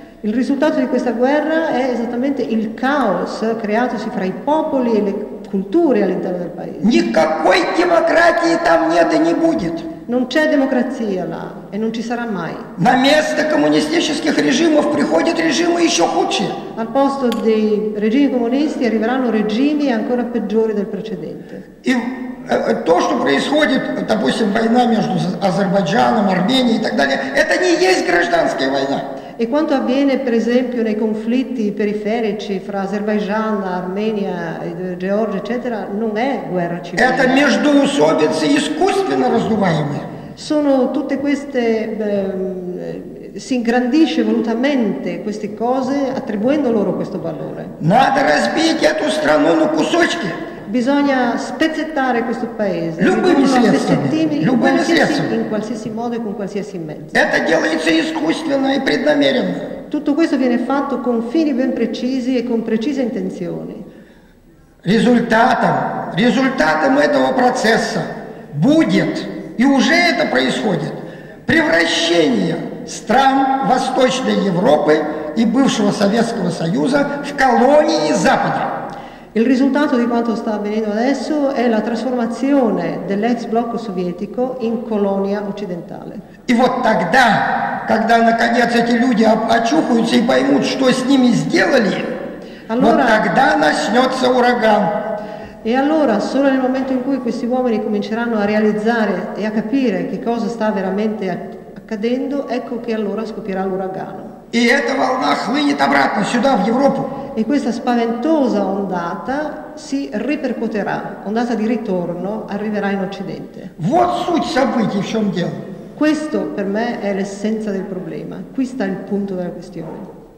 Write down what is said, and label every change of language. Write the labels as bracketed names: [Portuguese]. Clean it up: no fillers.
[Italian] Il risultato di questa guerra è esattamente il caos creatosi fra i popoli e le culture all'interno del paese. [Russian] Никакой демократии там нет и не будет. [Italian] Non c'è democrazia là e non ci sarà mai. [Russian] На место коммунистических режимов приходят режимы еще худшие. [Italian] Al posto dei regimi comunisti arriveranno regimi ancora peggiori del precedente. [Russian] То, что происходит, допустим, война между Азербайджаном, Арменией и так далее, это не есть гражданская война. [Italian] E quanto avviene, per esempio, nei conflitti periferici fra Азербайджан, Армения, Георгия, eccetera, non è guerra civile. [Russian] Это междоусобицы искусственно раздуваемые. [Italian] Sono tutte queste si ingrandisce volutamente queste cose attribuendo loro questo valore. [Russian] Надо разбить эту страну на кусочки. [Italian] Bisogna spezzettare questo paese [Russian] любыми средствами, [Italian] in qualsiasi modo e con qualsiasi mezzo. [Russian] Это делается искусственно и преднамеренно. [Italian] Tutto questo viene fatto con fini ben precisi e con precise intenzioni. [Russian] Результатом этого процесса будет, и уже это происходит, превращение стран Восточной Европы и бывшего Советского Союза в колонии Запада. [Italian] Il risultato di quanto sta avvenendo adesso è la trasformazione dell'ex blocco sovietico in colonia occidentale. [Russian] И вот тогда, когда наконец эти люди очухаются и поймут, что с ними сделали, [Italian] allora, [Russian] вот тогда начнется ураган. [Italian] E allora, solo nel momento in cui questi uomini cominceranno a realizzare e a capire che cosa sta veramente accadendo, ecco che allora scoppierà l'uragano. [Russian] И эта волна хлынет обратно сюда, в Европу. [Italian] E questa spaventosa ondata si ripercuoterà, ondata di ritorno arriverà in Occidente. [Russian] Вот суть событий, в чем дело. [Italian] Questo per me è l'essenza del problema, qui sta il punto della questione.